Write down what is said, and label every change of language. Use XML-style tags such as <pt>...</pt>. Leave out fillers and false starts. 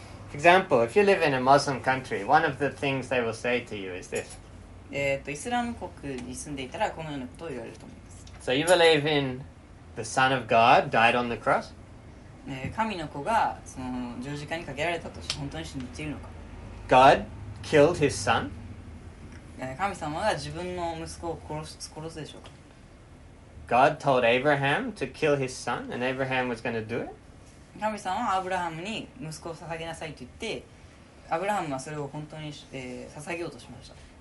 <en>For example, if you live in a Muslim country, one of the things they will say to you is this.</en> <ja>イスラム国に住んでいたらこのようなことを言われると思います。</ja> <en>So you believe in the Son of God died on the cross?</en> <ja>神の子がその十字架にかけられたとして本当に信じているのか。</ja> <en>God killed his son?</en> <ja>神様が自分の息子を殺すでしょうか。</ja> <en>God told Abraham to kill his son and Abraham was going to do it?</en> <ja>神様はアブラハムに息子を捧げなさいと言って、アブラハムはそれを本当に、捧げようとしました。</ja>